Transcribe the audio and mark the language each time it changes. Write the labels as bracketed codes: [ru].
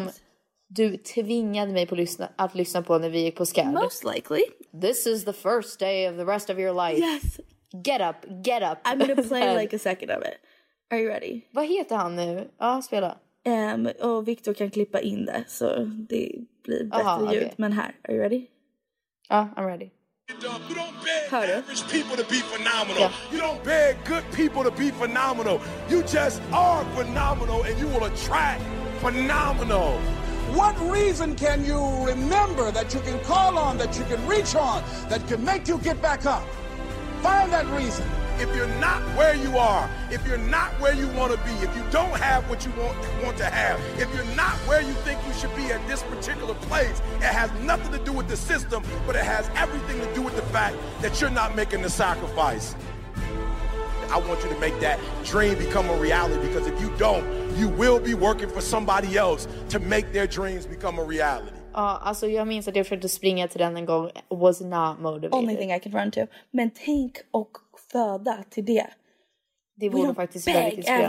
[sv] du den som du tvingade mig på att lyssna på när vi gick på scan? [en] Most likely. This is the first day of the rest of your life. Yes. Get up. I'm gonna play like a second of it. Are you ready? [sv] Vad heter han nu? Ja, spela. Och Victor kan klippa in det så det blir bättre aha, ljud. Okay. Men här, [en] are you ready? Ja, I'm ready. You don't beg average people to be phenomenal. Yeah. You don't beg good people to be phenomenal. You just are phenomenal and you will attract phenomenal. What reason can you remember that you can call on, that you can reach on, that can make you get back up? Find that reason. If you're not where you are, if you're not where you want to be, if you don't have what you want to have, if you're not where you think you should be at this particular place, it has nothing to do with the system, but it has everything to do with the fact that you're not making the sacrifice. I want you to make that dream become a reality, because if you don't, you will be working for somebody else to make their dreams become a reality. [sv] Alltså jag minns att jag försökte springa till den en gång. [en] Was not motivated. Only thing I could run to. [sv] Men tänk och föda till det. Det vore faktiskt väldigt inspirerande.